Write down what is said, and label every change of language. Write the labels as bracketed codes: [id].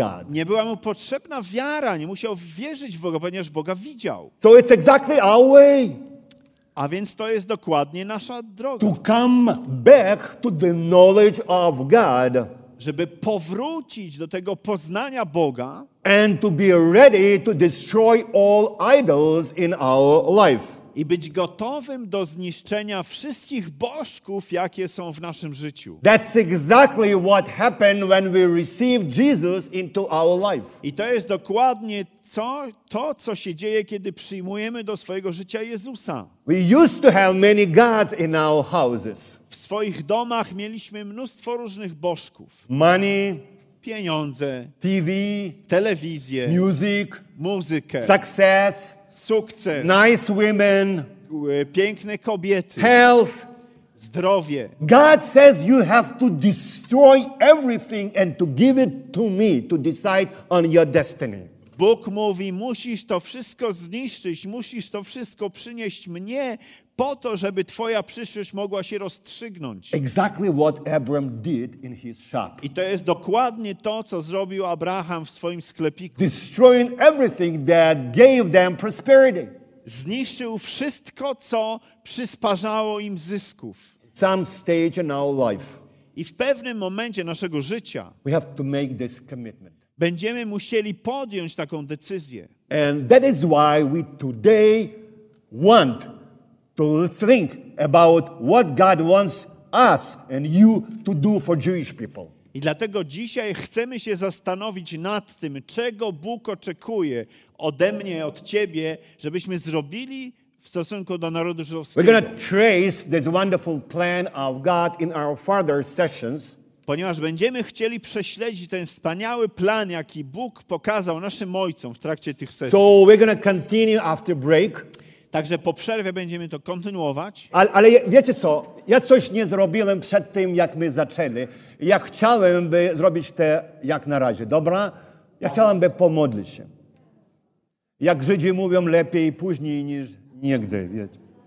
[pl] Nie była mu potrzebna wiara, nie musiał wierzyć w Boga, ponieważ Boga widział. [en] So it's exactly our way. [pl] A więc to jest dokładnie nasza droga. [en] To come back to the knowledge of God. [pl] Żeby powrócić do tego poznania Boga [en] and to be ready to destroy all idols in our life. [pl] I być gotowym do zniszczenia wszystkich bożków, jakie są w naszym życiu. [en] That's exactly what happened when we received Jesus into our life. [pl] I to jest dokładnie co się dzieje, kiedy przyjmujemy do swojego życia Jezusa. [en] We used to have many gods in our houses. [pl] W swoich domach mieliśmy mnóstwo różnych bożków. [en] Money, [pl] pieniądze, [en] TV, [pl] telewizję, [en] music, [pl] muzykę, [en] success, [pl] sukces, [en] nice women, [pl] piękne kobiety, [en] health, [pl] zdrowie. [en] God says you have to destroy everything and to give it to me to decide on your destiny. [pl] Bóg mówi, musisz to wszystko zniszczyć, musisz to wszystko przynieść mnie po to, żeby twoja przyszłość mogła się rozstrzygnąć. [en] Exactly what Abraham did in his shop. [pl] I to jest dokładnie to, co zrobił Abraham w swoim sklepiku. [en] Destroying everything that gave them prosperity. [pl] Zniszczył wszystko, co przysparzało im zysków. [en] Some stage in our life. [pl] I w pewnym momencie naszego życia [en] we have to make this commitment. [pl] Będziemy musieli podjąć taką decyzję. [en] And that is why we today want to think about what God wants us and you to do for Jewish people. [pl] I dlatego dzisiaj chcemy się zastanowić nad tym, czego Bóg oczekuje ode mnie, od ciebie, żebyśmy zrobili w stosunku do narodu żydowskiego. [en] We're going to trace this wonderful plan of God in our further sessions. [pl] Ponieważ będziemy chcieli prześledzić ten wspaniały plan, jaki Bóg pokazał naszym ojcom w trakcie tych sesji. [en] So we're gonna continue after break. [pl] Także po przerwie będziemy to kontynuować. Ale wiecie co? Ja coś nie zrobiłem przed tym, jak my zaczęli. Ja chciałem by zrobić to jak na razie, dobra? Ja chciałem by pomodlić się. Jak Żydzi mówią, lepiej później niż nigdy, wiecie.